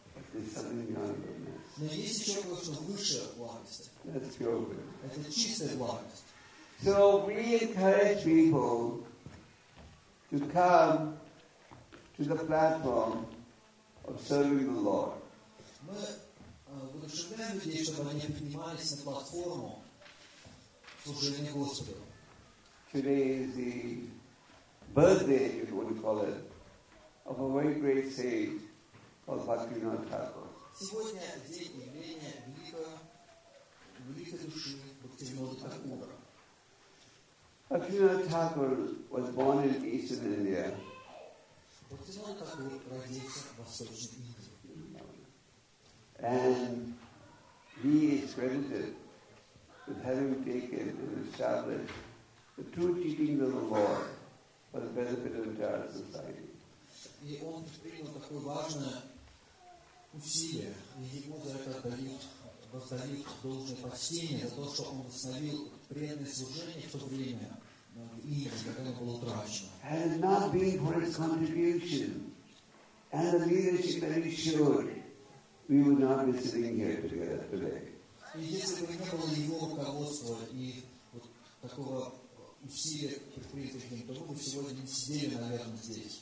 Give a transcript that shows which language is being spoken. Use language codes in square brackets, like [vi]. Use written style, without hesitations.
[en] There's something beyond goodness. That's pure goodness. So we encourage people to come to the platform of serving the Lord. [ru] Мы воодушевляем людей, чтобы они поднимались на платформу служение Господу. [en] Today is the birthday, if you want to call it, of a very great saint called Bhaktivinoda Thakur. [ru] Сегодня день явления великой души Бхактивинода Тхакура. [en] Bhaktivinoda Thakur was born in eastern India. [ru] Bhaktivinoda Thakur родился в восточной Индии. [en] And he is credited with having taken and established the true teachings of the Lord for the benefit of the entire society. [ru] И он предпринял такое важное усилие, и ему за это воздают должное почтение за то, что он восстановил преданное служение в то время. [en] Had it not been for his contribution and the leadership that he showed, we would not be sitting here together today.